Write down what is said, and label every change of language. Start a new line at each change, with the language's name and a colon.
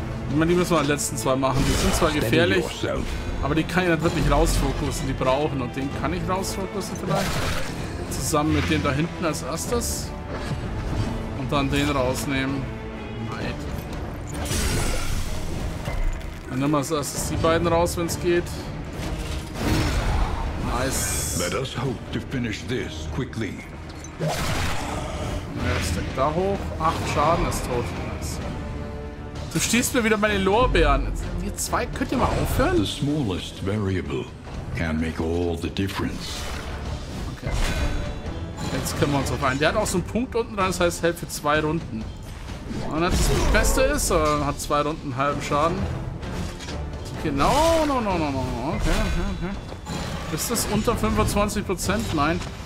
German: Ich meine, die müssen wir die letzten zwei machen. Die sind zwar gefährlich, aber die kann ich nicht wirklich rausfokussen, die brauchen. Und den kann ich rausfokussen vielleicht. Zusammen mit dem da hinten als erstes. Dann den rausnehmen. Neid. Dann nehmen wir erst die beiden raus, wenn es geht. Nice.
English: Let us hope to finish this quickly.
German: Ja, steckt da hoch. 8 Schaden ist tot. Nice. Du stießt mir wieder meine Lorbeeren. Ihr zwei könnt ihr mal aufhören?
English: The smallest variable can make all the difference. Okay.
German: Jetzt können wir uns auf einen. Der hat auch so einen Punkt unten dran, das heißt, hält für 2 Runden. Und das Beste ist, er hat 2 Runden halben Schaden. Genau, okay, no. Okay. Ist das unter 25%? Nein.